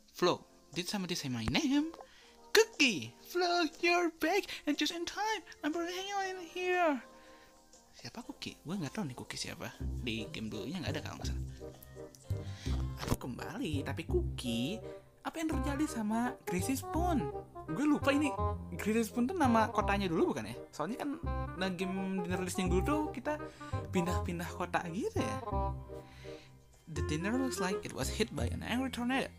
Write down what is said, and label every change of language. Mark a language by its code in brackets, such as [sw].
[en] Flo, did somebody say my name? Cookie, Flo, you're back and just in time. I'm bringing you in here. [id] Siapa Cookie? Gue nggak tahu nih Cookie siapa. Di game dulunya nggak ada kalau nggak salah. Aku kembali, tapi Cookie, apa yang terjadi sama Greasy Spoon? Gue lupa ini Greasy Spoon tuh nama kotanya dulu bukan ya? Soalnya kan nah game Dinner Dash yang dulu tuh kita pindah-pindah kota gitu ya. [en] The dinner looks like it was hit by an angry tornado.